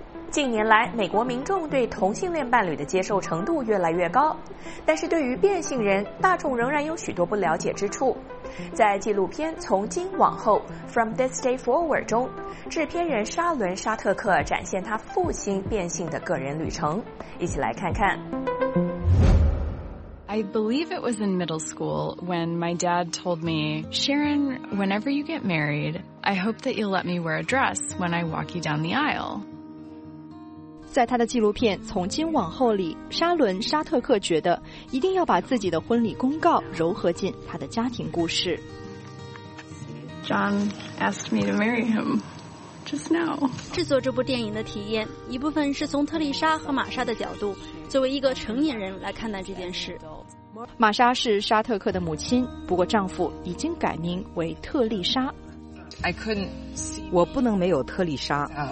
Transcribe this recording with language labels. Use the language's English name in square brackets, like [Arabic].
[Chinese] 近年来，美国民众对同性恋伴侣的接受程度越来越高，但是对于变性人，大众仍然有许多不了解之处。在纪录片《从今往后》（From This Day Forward） 中，制片人沙伦·沙特克展现他父亲变性的个人旅程，一起来看看。 [English] I believe it was in middle school when my dad told me, "Sharon, whenever you get married, I hope that you'll let me wear a dress when I walk you down the aisle." [Chinese] 在他的纪录片《从今往后》里，沙伦·沙特克觉得一定要把自己的婚礼公告柔合进他的家庭故事。 [English] John asked me to marry him just now. [Chinese] 制作这部电影的体验，一部分是从特丽莎和玛莎的角度，作为一个成年人来看待这件事。玛莎是沙特克的母亲，不过丈夫已经改名为特丽莎。 [English] I couldn't see. [Chinese] 我不能没有特丽莎。